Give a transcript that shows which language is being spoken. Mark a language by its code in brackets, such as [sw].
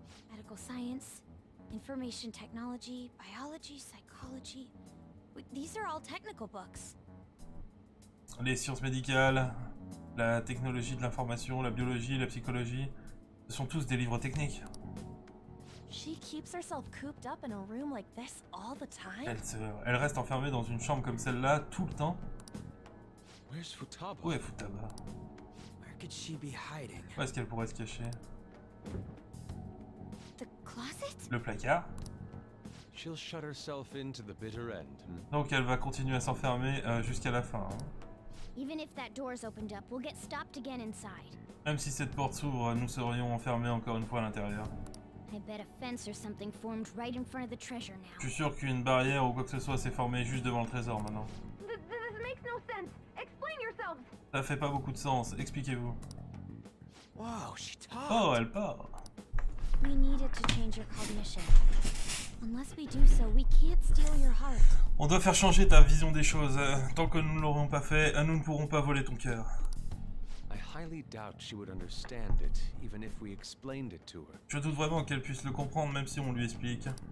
[en] Medical science, information technology, biology, psychology. These are all technical books. [fr] Les sciences médicales, la technologie de l'information, la biologie, la psychologie, ce sont tous des livres techniques. [en] She keeps herself cooped up in a room like this all the time. [fr] Elle reste enfermée dans une chambre comme celle-là tout le temps. [en] Where's Futaba? [fr] Où est Futaba? [en] Where could she be hiding? [fr] Où est-ce qu'elle pourrait se cacher? [en] The closet? [fr] Le placard? [en] She'll shut herself into the bitter end. [fr] Donc elle va continuer à s'enfermer jusqu'à la fin. Hein. [en] Even if that door's opened up, we'll get stopped again inside. [fr] Même si cette porte s'ouvre, nous serions enfermés encore une fois à l'intérieur. [en] I bet a fence or something formed right in front of the treasure now. [fr] Je suis sûr qu'une barrière ou quoi que ce soit s'est formée juste devant le trésor maintenant. [en] This makes no sense. Explain yourself. [fr] Ça fait pas beaucoup de sens. Expliquez-vous. [en] Wow, she talks. [fr] Oh, elle parle. [en] We needed to change your cognition. Unless we do so, we can't steal your heart. [fr] On doit faire changer ta vision des choses. Tant que nous ne l'aurons pas fait, nous ne pourrons pas voler ton cœur. Je doute vraiment qu'elle puisse le comprendre, même si on lui explique.